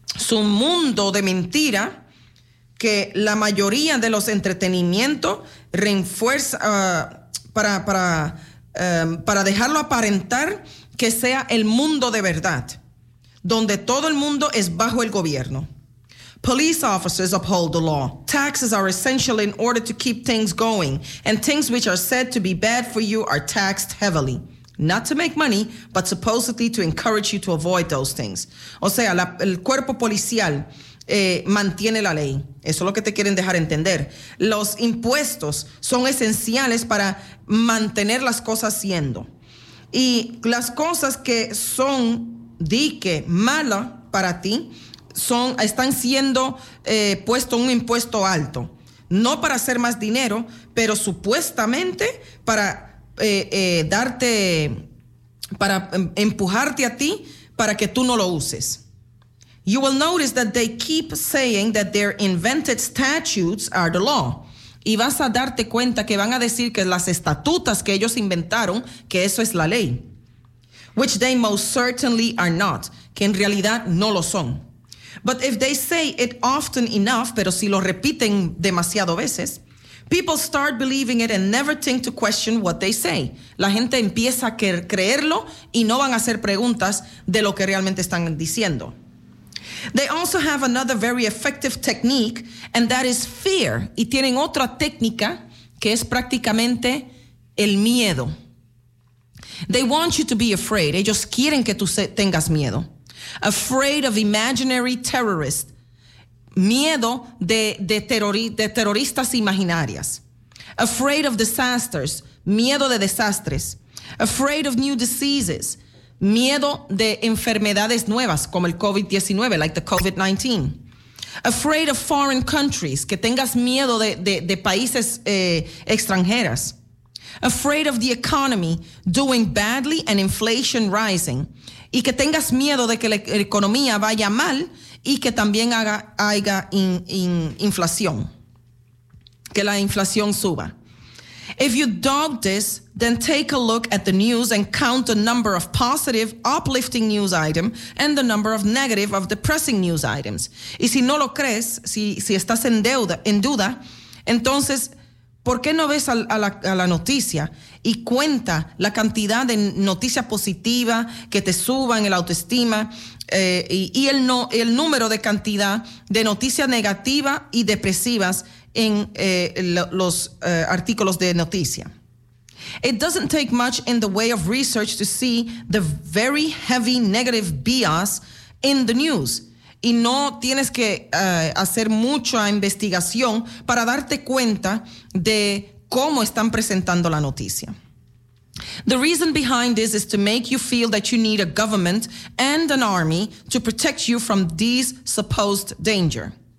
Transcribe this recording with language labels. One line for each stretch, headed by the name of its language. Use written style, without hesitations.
Spanish: mundo de mentira, que la mayoría de los entretenimientos reinfuerza para dejarlo aparentar que sea el mundo de verdad, donde todo el mundo es bajo el gobierno.
English: Police officers uphold the law. Taxes are essential in order to keep things going, and things which are said to be bad for you are taxed heavily. Not to make money, but supposedly to encourage you to avoid those things.
Spanish: O sea, el cuerpo policial mantiene la ley. Eso es lo que te quieren dejar entender. Los impuestos son esenciales para mantener las cosas siendo. Y las cosas que son dique mala para ti están siendo puesto un impuesto alto, no para hacer más dinero, pero supuestamente para darte, para empujarte a ti para que tú no lo uses.
English: You will notice that they keep saying that their invented statutes are the law.
Spanish: Y vas a darte cuenta que van a decir que las estatutas que ellos inventaron, que eso es la ley.
English: Which they most certainly are not,
Spanish: que en realidad no lo son.
English: But if they say it often enough,
Spanish: pero si lo repiten demasiado veces,
English: people start believing it and never think to question what they say.
Spanish: La gente empieza a creerlo y no van a hacer preguntas de lo que realmente están diciendo.
English: They also have another very effective technique, and that is fear.
Spanish: Y tienen otra técnica que es prácticamente el miedo.
English: They want you to be afraid.
Spanish: Ellos quieren que tú tengas miedo.
English: Afraid of imaginary terrorists.
Spanish: Miedo de terroristas imaginarias.
English: Afraid of disasters.
Spanish: Miedo de desastres.
English: Afraid of new diseases.
Spanish: Miedo de enfermedades nuevas, como el COVID-19,
English: like the COVID-19. Afraid of foreign countries,
Spanish: que tengas miedo de países extranjeras.
English: Afraid of the economy doing badly and inflation rising.
Spanish: Y que tengas miedo de que la economía vaya mal y que también haya inflación. Que la inflación suba.
English: If you doubt this, then take a look at the news and count the number of positive, uplifting news items and the number of negative, of depressing news items.
Spanish: Y si no lo crees, si estás en duda, entonces, ¿por qué no ves a la noticia y cuenta la cantidad de noticias positivas que te suban el autoestima y el número de cantidad de noticias negativas y depresivas en los artículos de noticia?
English: It doesn't take much in the way of research to see the very heavy negative bias in the news.
Spanish: Y no tienes que hacer mucha investigación para darte cuenta de cómo están presentando la noticia.
English: The reason behind this is to make you feel that you need a government and an army to protect you from these supposed danger.